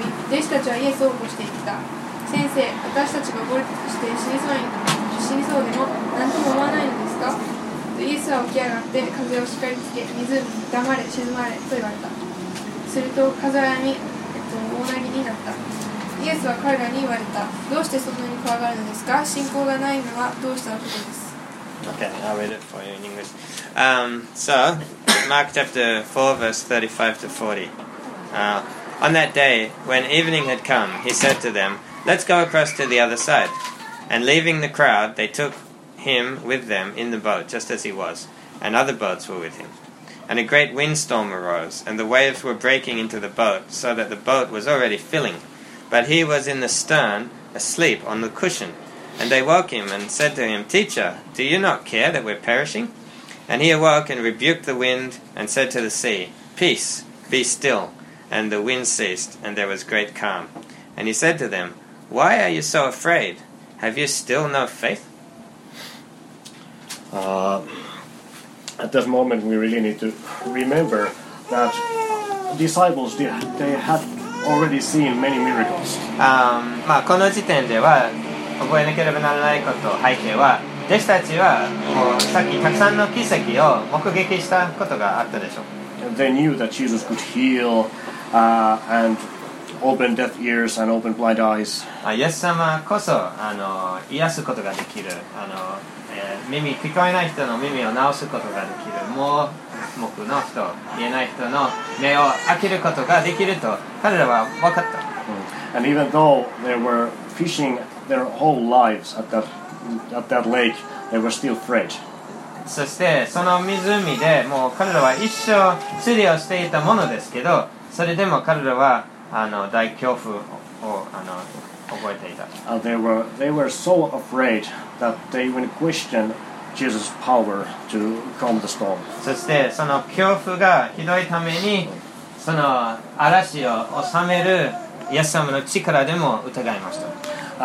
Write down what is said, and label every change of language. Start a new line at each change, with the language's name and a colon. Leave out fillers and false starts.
Japanese: 弟子たちはイエスを起こしていった。先生、私たちが溺れてして死にそうでも何とも思わないのですか？イエスは起き上がって風を叱りつけ、湖に黙れ沈まれと言われた。すると風はやみ、大なぎになった。イエスは彼らに言われた。どうしてそんなに怖がるのですか？信仰がないのはどうしたのことです。
English: Okay, I'll read it for you in English. So Mark chapter 4 verse 35 to 40. On that day when evening had come, he said to them, let's go across to the other side. And leaving the crowd, they tookHim with them in the boat, just as he was, and other boats were with him. And a great windstorm arose, and the waves were breaking into the boat, so that the boat was already filling. But he was in the stern, asleep on the cushion. And they woke him and said to him, Teacher, do you not care that we're perishing? And he awoke and rebuked the wind and said to the sea, Peace, be still. And the wind ceased, and there was great calm. And he said to them, Why are you so afraid? Have you still no faith? At this moment, we really need to remember that disciples, they had already seen many miracles.
Japanese: まあこの時点では覚えなければならないこと、背景は弟子たちはもうさっきたくさんの奇跡を目撃したことがあったでしょう。
English: They knew that Jesus could heal, and open deaf ears and open blind eyes.
Japanese: イエス様こそあの癒すことができる。あの耳聞こえない人の耳を治すことができる、盲目の人、見えない人の目を開けることができると彼らは分かった。
English: And even though they were fishing their whole lives at that lake, they were still afraid.
Japanese: そしてその湖でもう彼らは一生釣りをしていたものですけど、それでも彼らはあの大恐怖をあの覚えていた。
English: They were so afraid. That they even question Jesus' power to calm the storm.
Japanese: そしてその恐怖がひどいためにその嵐を収めるイエス様の力でも疑いました。